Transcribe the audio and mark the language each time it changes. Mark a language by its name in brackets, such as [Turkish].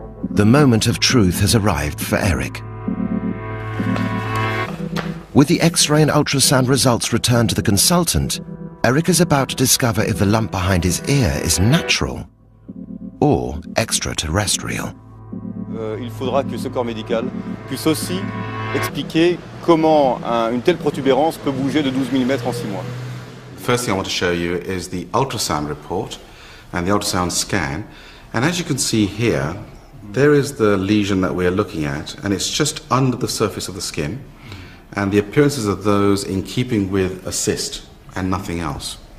[English] The moment of truth has arrived for Eric. With the X-ray and ultrasound results returned to the consultant, Eric is about to discover if the lump behind his ear is natural or extraterrestrial. [French] Il faudra que ce corps médical puisse aussi expliquer comment une telle protubérance peut bouger de 12 mm en 6 mois. [English] The first thing I want to show you is the ultrasound report and the ultrasound scan. And as you can see here, there is the lesion that we are looking at, and it's just under the surface of the skin. And the appearances are those in keeping with a cyst and nothing else.